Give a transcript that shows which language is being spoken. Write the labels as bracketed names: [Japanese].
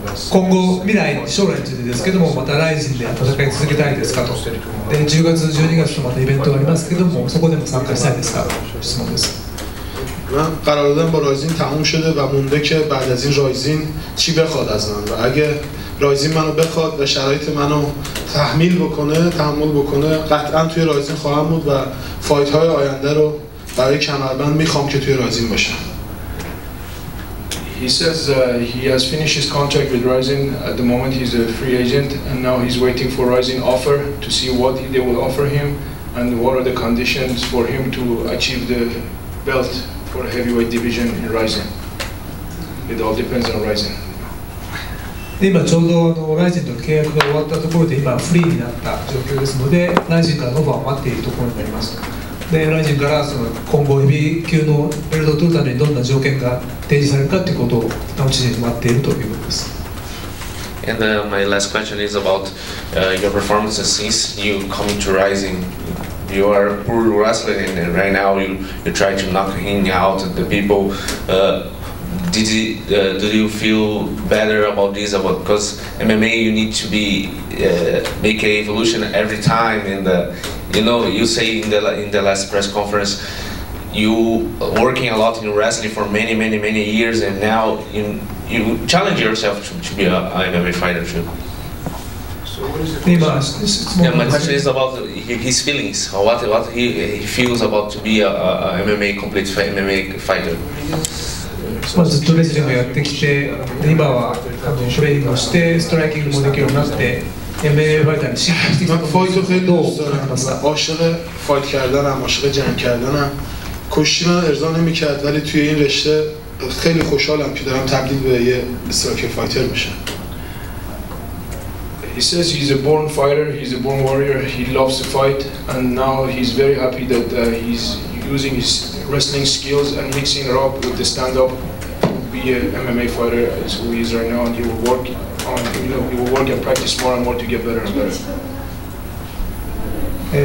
[Japanese] 今後未来将来についてですけども、またライジンで戦い続けたいですかと。で、10月12月とまたイベントがありますけども、そこでも参加したいですかと質問です。 [Persian] من قرار دادم با رایزین تموم شده و مونده که بعد از این رایزین چی بخواد از من و اگه رایزین منو بخواد و شرایط منو تحمل بکنه قطعا توی رایزین خواهم بود و فایت های آینده رو برای کمربند میخوام که توی رایزین باشم. [English] He says he has finished his contract with Rizin. At the moment he's a free agent and now he's waiting for Rizin offer to see what they will offer him and what are the conditions for him to achieve the beltfor a heavyweight division in Rizin. It all depends on Rizin. [Japanese] 今ちょうどRizinと契約が終わったところで今フリーになった状況ですのでRizinからオファーを待っているところになります。でRizinからその今後ヘビー級のベルトを取るためにどんな条件が提示されるかということを楽しみに待っているということです。 [English] And my last question is about your performances since you coming to Rizin. You are a poor wrestler and right now you try to knock him out the people. Do you feel better about this? Because MMA you need to be make an evolution every time. And you know, you say in the last press conference, you working a lot in wrestling for many, many, many years and now you challenge yourself to be an MMA fighter too. Yeah, my question is about his feelings. What he feels about to be a MMA complete MMA fighter. [Japanese] まあずっとレスリングやってきて、今は多分トレーニングをしてストライキングもできるようになって、 [Persian] من فایت خیلی دوست دارم، عاشق فایت کردنم، عاشق جنگ کردنم. کشتی من ارضا نمیکرد ولی توی این رشته خیلی خوشحالم که دارم تبدیل به یه استرایک فایتر میشم. [English] He says he's a born fighter, he's a born warrior, he loves to fight, and now he's very happy that he's using his wrestling skills and mixing it up with the stand-up to be an MMA fighter, as who he is right now, and he will work on, you know, he will work and practice more and more to get better and better.